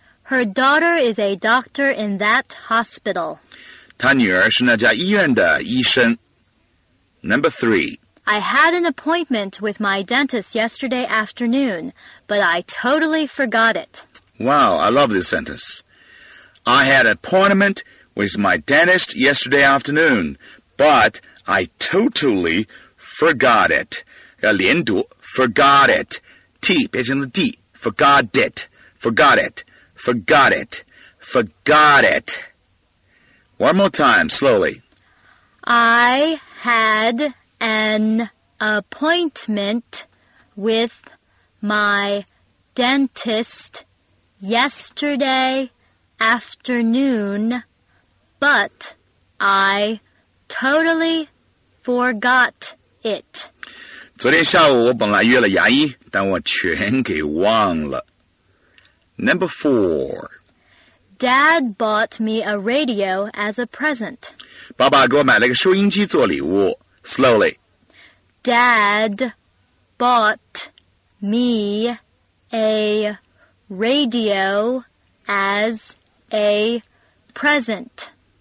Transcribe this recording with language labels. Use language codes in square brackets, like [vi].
[en] Her daughter is a doctor in that hospital. [zh] 她女儿是那家医院的医生。 [en] Number 3. I had an appointment with my dentist yesterday afternoon, but I totally forgot it. Wow, I love this sentence. I had an appointment with my dentist yesterday afternoon, but I totally forgot it. [zh] 要连读 [en] forgot it. [zh] T 变成了 D, forgot it. [en] Forgot it. One more time, slowly. I had an appointment with my dentist yesterday afternoon, but I totally forgot it. [zh] 昨天下午我本来约了牙医，但我全给忘了。 [en] Number 4. Dad bought me a radio as a present. [zh] 爸爸给我买了个收音机做礼物。 [en] Slowly. Dad bought me a radio as a present.